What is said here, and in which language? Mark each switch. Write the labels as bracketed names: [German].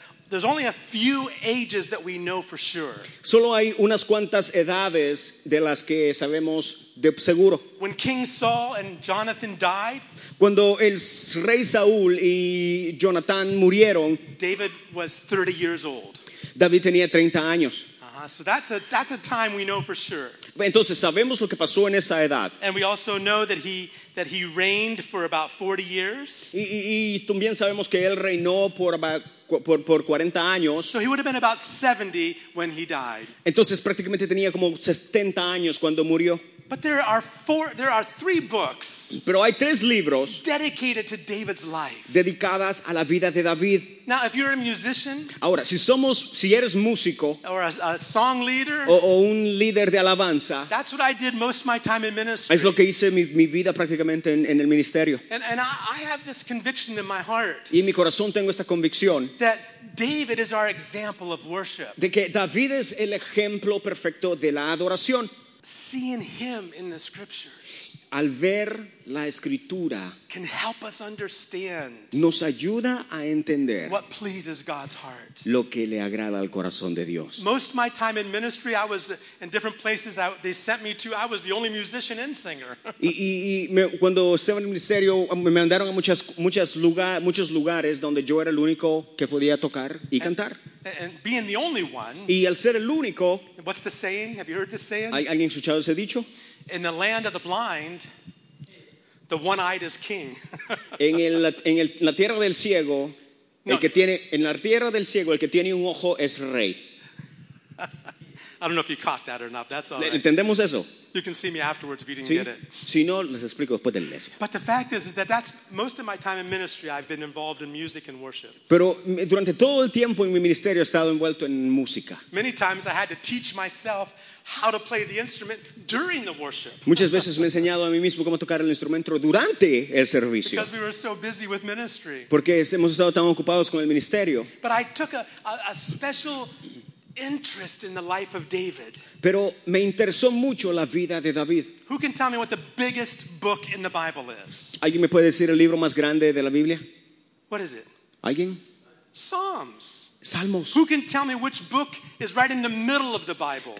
[English] There's only a few ages that we know for sure. [Spanish] Solo hay unas cuantas edades de las que sabemos de seguro. [English] When King Saul and Jonathan died, [Spanish] cuando el rey Saúl y Jonathan murieron, [English] David was 30 years old. [Spanish] David tenía 30 años. [English] So that's a time we know for sure. [Spanish] Entonces sabemos lo que pasó en esa edad. [English] And we also know that he reigned for about 40 years. [Spanish] Y también sabemos que él reinó por 40 años. [English] So he would have been about 70 when he died. [Spanish] Entonces prácticamente tenía como 70 años cuando murió. [English] But there are three books. [Spanish] Pero hay tres libros [English] dedicated to David's life. [Spanish] Dedicadas a la vida de David. [English] Now, if you're a musician, [Spanish] ahora, si eres músico, [English] or a song leader, [Spanish] o un líder de alabanza, [English] that's what I did most of my time in ministry. [Spanish] Es lo que hice mi vida prácticamente en el ministerio. [English] And I have this conviction in my heart. [Spanish] Y en mi corazón tengo esta convicción. [English] That David is our example of worship. [Spanish] De que David es el ejemplo perfecto de la adoración. [English] Seeing him in the scriptures. [Spanish] Al ver la escritura. [English] Can help us understand. [Spanish] Nos ayuda a entender. [English] What pleases God's heart. [Spanish] Lo que le agrada al corazón de Dios. [English] Most of my time in ministry, I was in different places they sent me to. I was the only musician and singer. [Spanish] Y cuando estaba en el ministerio, me mandaron a muchos lugares donde yo era el único que podía tocar y cantar. [English] And being the only one. [Spanish] Y al ser el único. [English] What's the saying? Have you heard this saying? [Spanish] ¿Alguien ha escuchado ese dicho? [English] In the land of the blind. The one-eyed is king. [Spanish] En la tierra del ciego, no. El que tiene en la tierra del ciego el que tiene un ojo es rey. [English] I don't know if you caught that or not. That's all. [Spanish] ¿Entendemos eso? [English] You can see me afterwards if you didn't get it. [Spanish] Si no, les explico después del mes. [English] But the fact is that that's most of my time in ministry. I've been involved in music and worship. [Spanish] Pero durante todo el tiempo en mi ministerio he estado envuelto en música. [English] Many times I had to teach myself how to play the instrument during the worship. [Spanish] Muchas veces me he enseñado a mí mismo cómo tocar el instrumento durante el servicio. [English] Because we were so busy with ministry. [Spanish] Porque hemos estado tan ocupados con el ministerio. [English] But I took a special interest in the life of David. [Spanish] Pero me interesó mucho la vida de David. [English] Who can tell me what the biggest book in the Bible is? [Spanish] ¿Alguien me puede decir el libro más grande de la Biblia? [English] What is it? [Spanish] ¿Alguien? [English] Psalms. [Spanish] Salmos. [English] Who can tell me which book is right in the middle of the Bible?